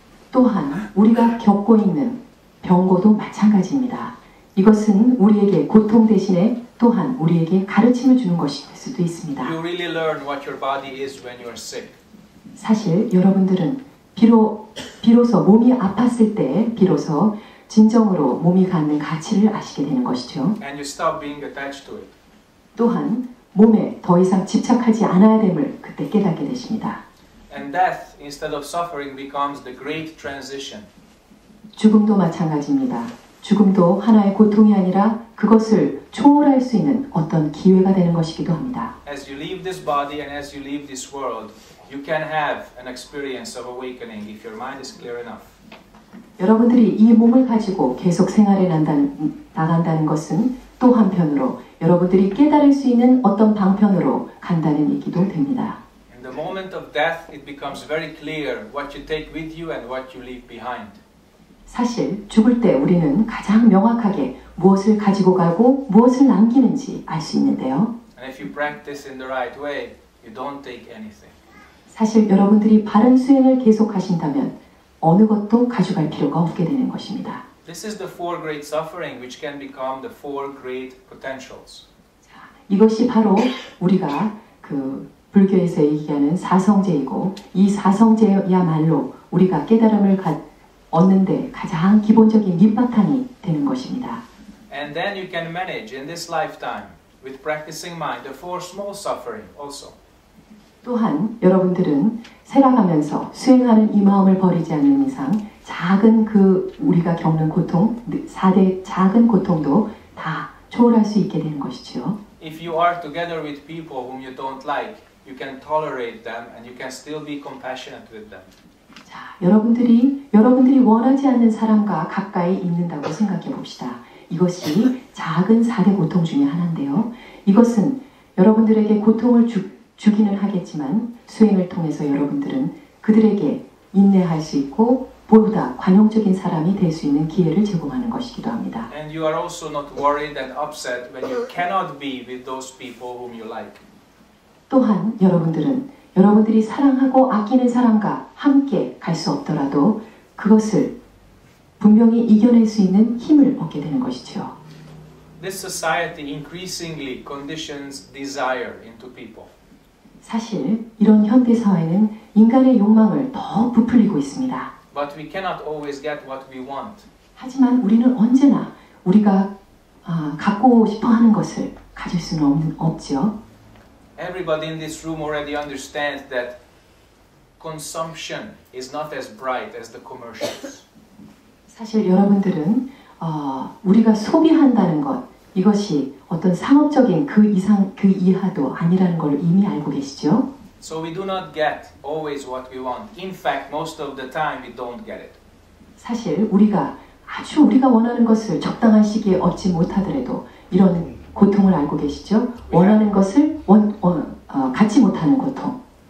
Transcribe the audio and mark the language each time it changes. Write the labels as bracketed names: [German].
[Korean] 또한 우리가 겪고 있는 병고도 마찬가지입니다. 이것은 우리에게 고통 대신에 또한 우리에게 가르침을 주는 것일 수도 있습니다. [English] You really learn what your body is when you are sick. [Korean] 사실 여러분들은 비로소 몸이 아팠을 때 비로소 진정으로 몸이 갖는 가치를 아시게 되는 것이죠. [English] And you stop being attached to it. [Korean] 또한 몸에 더 이상 집착하지 않아야 됨을 그때 깨닫게 되십니다. [English] And death, instead of suffering, becomes the great transition. [Korean] 죽음도 마찬가지입니다. 죽음도 하나의 고통이 아니라 그것을 초월할 수 있는 어떤 기회가 되는 것이기도 합니다. [English] As you leave this body and as you leave this world, you can have an experience of awakening if your mind is clear enough. [Korean] 여러분들이 이 몸을 가지고 계속 생활에 나간다는 것은 또 한편으로 여러분들이 깨달을 수 있는 어떤 방편으로 간다는 얘기도 됩니다. [English] In the moment of death, it becomes very clear what you take with you and what you leave behind. [Korean] 사실 죽을 때 우리는 가장 명확하게 무엇을 가지고 가고 무엇을 남기는지 알 수 있는데요. [English] And if you practice in the right way, you don't take anything. [Korean] 사실 여러분들이 바른 수행을 계속하신다면 어느 것도 가져갈 필요가 없게 되는 것입니다. [English] This is the four great suffering which can become the four great potentials. [Korean] 자, 이것이 바로 우리가 그 불교에서 얘기하는 사성제이고 이 사성제야말로 우리가 깨달음을 얻는 데 가장 기본적인 밑바탕이 되는 것입니다. [English] And then you can manage in this lifetime with practicing mind the four small suffering also. [Korean] 또한 여러분들은 살아가면서 수행하는 이 마음을 버리지 않는 이상 작은 그 우리가 겪는 고통, 4대 작은 고통도 다 초월할 수 있게 되는 것이죠. [English] If you are together with people whom you don't like, you can tolerate them and you can still be compassionate with them. [Korean] 자, 여러분들이 원하지 않는 사람과 가까이 있는다고 생각해 봅시다. 이것이 작은 4대 고통 중에 하나인데요. 이것은 여러분들에게 고통을 주기는 하겠지만 수행을 통해서 여러분들은 그들에게 인내할 수 있고 보다 관용적인 사람이 될 수 있는 기회를 제공하는 것이기도 합니다. [English] And you are also not worried and upset when you cannot be with those people whom you like. [Korean] 또한 여러분들은 여러분들이 사랑하고 아끼는 사람과 함께 갈 수 없더라도 그것을 분명히 이겨낼 수 있는 힘을 얻게 되는 것이죠. [English] This society increasingly conditions desire into people. [Korean] 사실 이런 현대 사회는 인간의 욕망을 더 부풀리고 있습니다. [English] But we cannot always get what we want. [Korean] 하지만 우리는 언제나 우리가 갖고 싶어 하는 것을 가질 수는 없죠. [English] Everybody in this room already understands that consumption is not as bright as the commercials. [Korean] 사실 여러분들은 우리가 소비한다는 것 이것이 어떤 상업적인 그 이상 그 이하도 아니라는 걸 이미 알고 계시죠? [English] So we do not get always what we want. In fact, most of the time we don't get it. [Korean] 사실 우리가 아주 우리가 원하는 것을 적당한 시기에 얻지 못하더라도 이런 고통을 알고 계시죠? 원하는 것을 갖지 못하는 고통.